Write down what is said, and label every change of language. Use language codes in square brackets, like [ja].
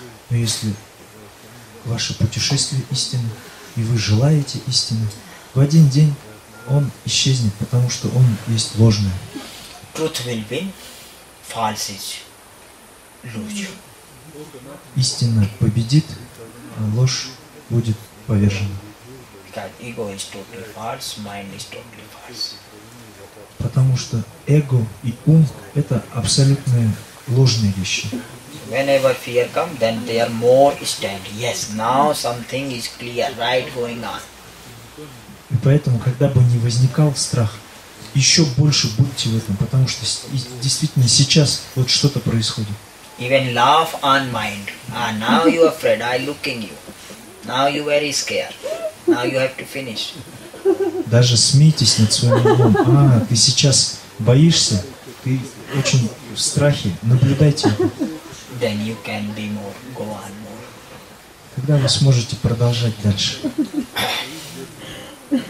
[ru] Но если ваше путешествие истина, и вы желаете истины, в один день он исчезнет, потому что он есть ложное. [en] Truth will win, false is lose. [ru] Истина победит, а ложь будет повержена. [en] Because ego is totally false, mind is totally false. [ru] Потому что эго и ум – это абсолютные ложные вещи. [en] Whenever fear come, then they are more stand. Yes, now something is clear, right going on. [ru] И поэтому, когда бы не возникал страх, еще больше будьте в этом, потому что действительно сейчас вот что-то происходит. [en] Even laugh on mind. Ah, now you are afraid, I looking you. Now you very scared. Now you have to finish. [ru] Даже смейтесь над своим умом. Ты сейчас боишься, ты очень в страхе, наблюдайте. [en] Then you can be more, go on more. [ru] Когда вы сможете продолжать дальше?